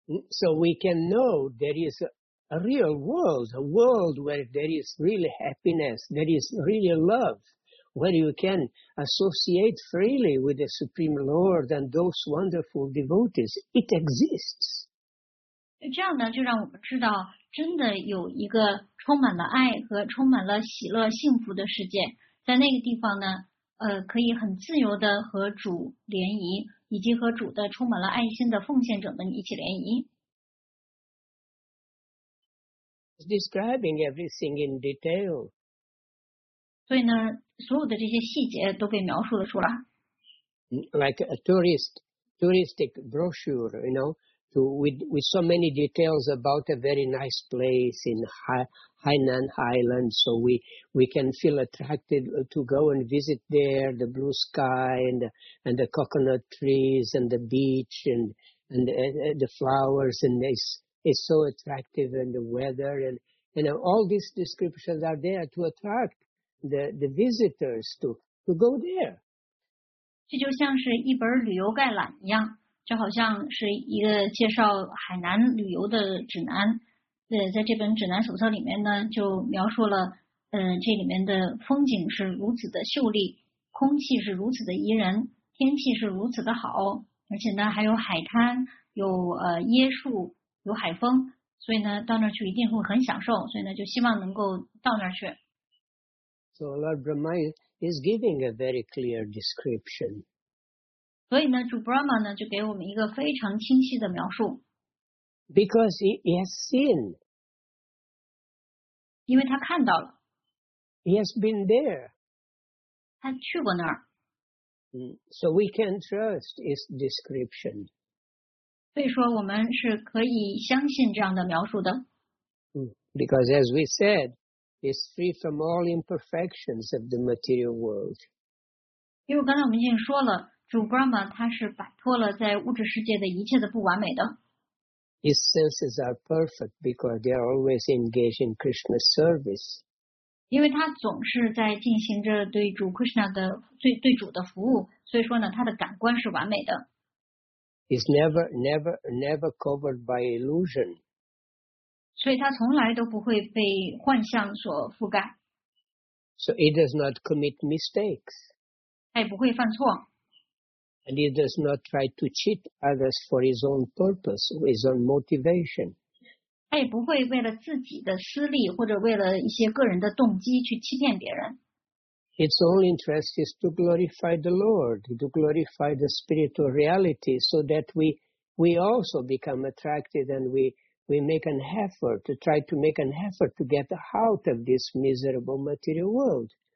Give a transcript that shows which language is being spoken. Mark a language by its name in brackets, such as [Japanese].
[English] So we can know there is a real world, a world where there is really happiness, there is really love, where you can associate freely with the Supreme Lord and those wonderful devotees. It exists. [Chinese] 这样呢，就让我们知道，真的有一个充满了爱和充满了喜乐、幸福的世界。在那个地方呢，可以很自由的和主联谊，以及和主的充满了爱心的奉献者们一起联谊。 [English] Describing everything in detail. [Chinese] 所以呢，所有的这些细节都被描述了出来。 [English] Like a touristic brochure, you know, with so many details about a very nice place in Hainan Island, so we can feel attracted to go and visit there, the blue sky and the coconut trees and the beach and the flowers, and it's so attractive, and the weather, and all these descriptions are there to attract the visitors to go there. [Chinese] 这就像是一本旅游概览一样，就好像是一个介绍海南旅游的指南。在这本指南手册里面呢，就描述了，这里面的风景是如此的秀丽，空气是如此的宜人，天气是如此的好，而且呢还有海滩，有椰树，有海风，所以呢到那儿去一定会很享受，所以呢就希望能够到那儿去。 [English] So Lord Brahma is giving a very clear description. [Chinese] 所以呢，主 Brahma 呢就给我们一个非常清晰的描述。 [English] Because he has seen. [Chinese] 因为他看到了。 [English] He has been there. [Chinese] 他去过那儿。 [English] So we can trust his description. [Chinese] 所以说我们是可以相信这样的描述的。 [English] Because as we said, he's free from all imperfections of the material world. [Chinese] 因为刚才我们已经说了，主 Brahma 他是摆脱了在物质世界的一切的不完美的。 [English] His senses are perfect because they are always engaged in Krishna's service. [Chinese] 因为他总是在进行着对主 Krishna 的对主的服务，所以说呢，他的感官是完美的。 [English] He's never covered by illusion. [Chinese] 所以他从来都不会被幻象所覆盖。 [English] So he does not commit mistakes. [Chinese] 他也不会犯错。 [English] And he does not try to cheat others for his own purpose or his own motivation. [Chinese] 他也不会为了自己的私利或者为了一些个人的动机去欺骗别人。 [English] His only interest is to glorify the Lord, to glorify the spiritual reality so that we also become attracted and we make an effort to try to make an effort to get out of this miserable material world.